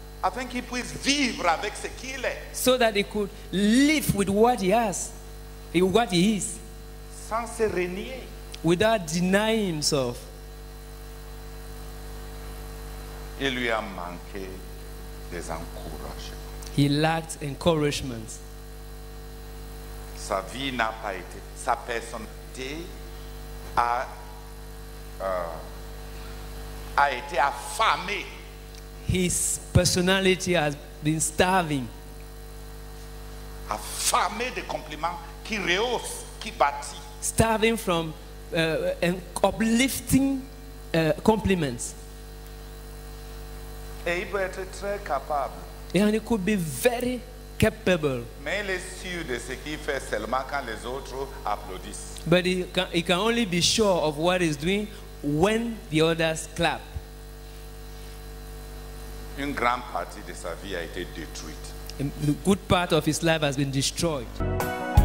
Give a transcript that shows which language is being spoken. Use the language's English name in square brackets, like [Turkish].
[French] Afin qu'il puisse vivre avec ce qu'il est. [English] So that he could live with what he has, what he is. [French] Sans se renier. [English] Without denying himself. [French] Il lui a manqué des encouragements. [English] He lacked encouragement. [French] Sa vie n'a pas été. Sa personnalité a été affamée. [English] His personality has been starving. [French] Affamée de compliments qui rehaussent, qui bâtissent. [English] Starving from uplifting compliments. [French] Et il peut être très capable. [English] And he could be very capable. [French] Mais il est sûr de ce qu'il fait seulement quand les autres applaudissent. [English] But he can only be sure of what he's doing when the others clap. [French] Une grande partie de sa vie a été détruite. [English] A good part of his life has been destroyed.